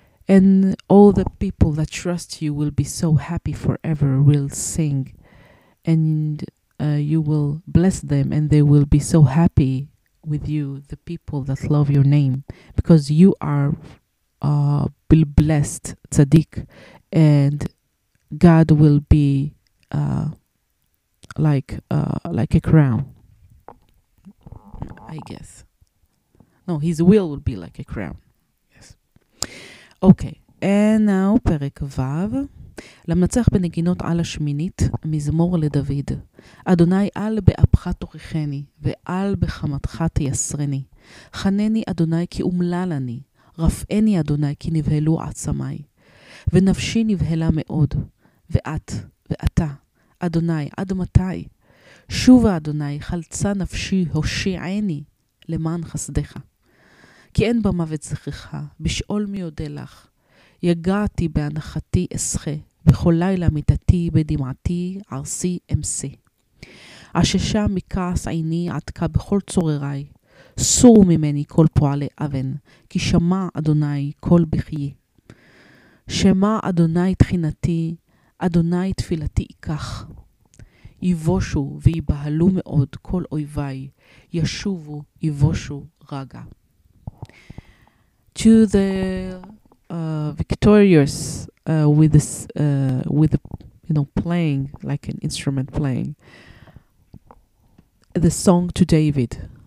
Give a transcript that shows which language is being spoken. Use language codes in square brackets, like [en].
[en] And all the people that trust you will be so happy forever, will sing, and you will bless them, and they will be so happy with you, the people that love your name, because you are blessed, tzaddik, and God will be like a crown. crown, I guess. No, his will would be like a crown. Yes. Okay. And now, פרק וב. [he] למנצח בנגינות על השמינית, מזמור לדוד. אדוני, אל באפך תוכחני, ואל בחמתך תייסרני. חנני אדוני כי אומלל אני, רפאני אדוני כי נבהלו עצמי. ונפשי נבהלה מאוד, ואת, ואתה, אדוני, עד מתי? שובה אדוני, חלצה נפשי, הושיעני, למען חסדך. כי אין במוות זכרך, בשאול מי יודע לך. יגעתי בהנחתי אסחה, בכל לילה מיטתי בדמעתי ערסי אמסה. עששה מכעס עיני עתקה בכל צורריי, סורו ממני כל פועלי אבן, כי שמע אדוני כל בכיי. שמע אדוני תחינתי, אדוני תפילתי ייקח. יבושו ויבהלו מאוד כל אויביי, ישובו יבושו רגע. [en] To the victorious with this with the, you know, playing like an instrument, playing the song to David.